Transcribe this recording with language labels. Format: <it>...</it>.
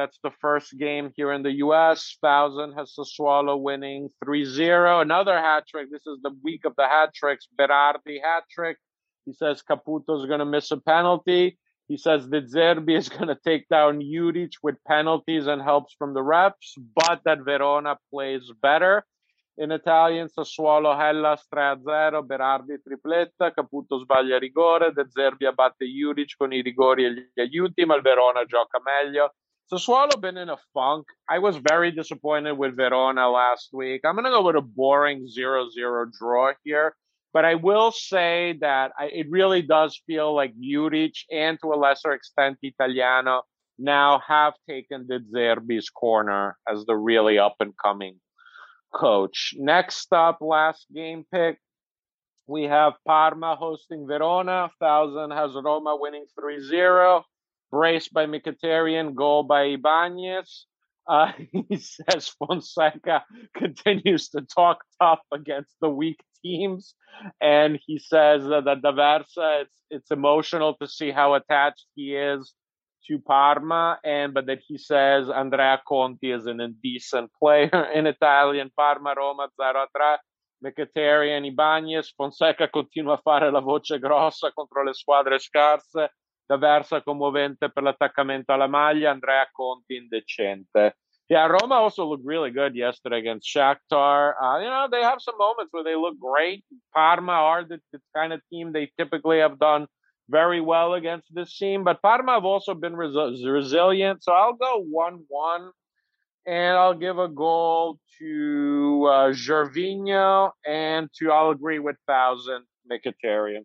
<en>That's the first game here in the U.S. Thousand has Sassuolo winning 3-0. Another hat trick. This is the week of the hat tricks. Berardi hat trick. He says Caputo's going to miss a penalty. He says that Zerbi is going to take down Juric with penalties and helps from the refs, but that Verona plays better. In Italian,</en> <it>Sassuolo Hellas 3-0, Berardi tripletta, Caputo sbaglia rigore, De Zerbi abbatte Juric con i rigori e gli aiuti, ma il Verona gioca meglio.</it> <en>Sassuolo been in a funk. I was very disappointed with Verona last week. I'm going to go with a boring 0-0 draw here, but I will say that it really does feel like Juric and to a lesser extent Italiano now have taken De Zerbi's corner as the really up-and-coming coach. Next up, last game pick, we have Parma hosting Verona. Thousand has Roma winning 3-0. Braced by Mkhitaryan, goal by Ibanez. He says Fonseca continues to talk tough against the weak teams. And he says that the Daversa, it's emotional to see how attached he is to Parma. But that he says Andrea Conti is an indecent player in Italian.</en> <it>Parma, Roma, 0-3. Mkhitaryan, Ibanez. Fonseca continua a fare la voce grossa contro le squadre scarse. Daversa commovente per l'attaccamento alla maglia, Andrea Conti indecente.</it> <en>Yeah, Roma also looked really good yesterday against Shakhtar. You know, they have some moments where they look great. Parma are the kind of team they typically have done very well against this team, but Parma have also been resilient. So I'll go 1-1, and I'll give a goal to Gervinho and to, I'll agree with Thousand, Mkhitaryan.</en>